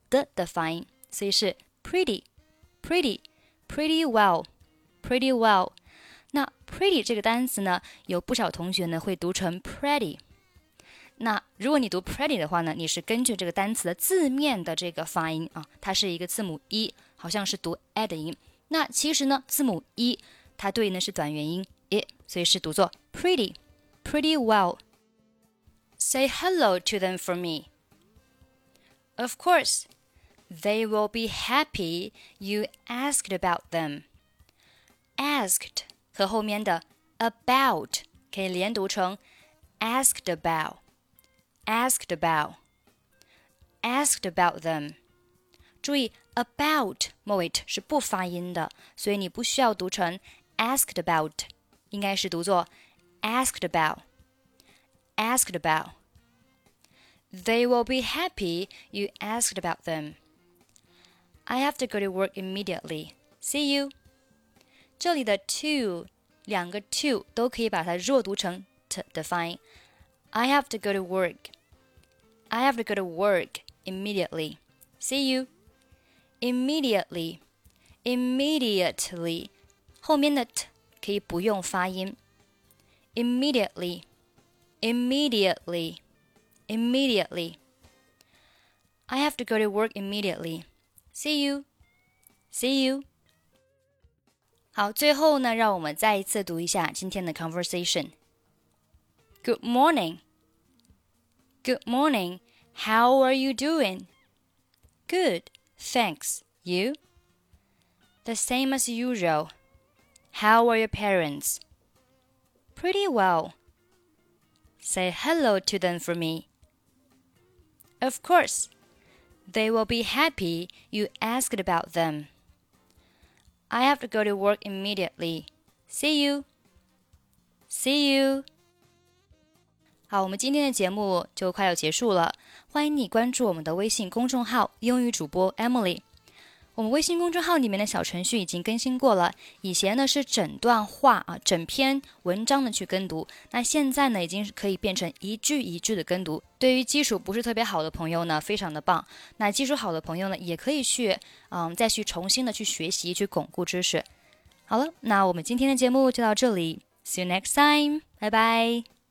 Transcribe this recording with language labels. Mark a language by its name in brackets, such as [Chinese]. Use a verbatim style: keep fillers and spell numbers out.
[Chinese] 的的发音，所以是 [English] pretty, pretty, pretty well, pretty well。 [Chinese] 那 pretty 这个单词呢，有不少同学呢会读成 pretty。那如果你读 pretty 的话呢，你是根据这个单词的字面的这个发音啊，它是一个字母 e， 好像是读 e 的音。那其实呢，字母 e 它对应的是短元音 i， 所以是读作 pretty, pretty well。 [English] Say hello to them for me. Of course, they will be happy you asked about them. [Chinese] Asked 和后面的 about 可以连读成 asked about. [English] Asked about, asked about them. [Chinese] 注意 about 末尾是不发音的，所以你不需要读成 asked about， 应该是读作 asked about, asked about. [English] They will be happy you asked about them. I have to go to work immediately. See you. [Chinese] 这里的 to 两个 to 都可以把它弱读成 t 的发音。 [English] I have to go to work. I have to go to work immediately. See you. Immediately. Immediately. [Chinese] 后面的 t 可以不用发音。 [English] Immediately. Immediately. Immediately. I have to go to work immediately. See you. See you. [Chinese] 好，最后呢，让我们再一次读一下今天的 conversation. [English] Good morning. Good morning. How are you doing? Good, thanks. You? The same as usual. How are your parents? Pretty well. Say hello to them for me. Of course. They will be happy you asked about them. I have to go to work immediately. See you. See you. [Chinese] 好，我们今天的节目就快要结束了，欢迎你关注我们的微信公众号英语主播 Emily。我们微信公众号里面的小程序已经更新过了，以前呢是整段话啊，整篇文章的去跟读，那现在呢已经可以变成一句一句的跟读，对于基础不是特别好的朋友呢非常的棒，那基础好的朋友呢也可以去嗯，再去重新的去学习，去巩固知识。好了，那我们今天的节目就到这里， [English] See you next time， [Chinese] 拜拜。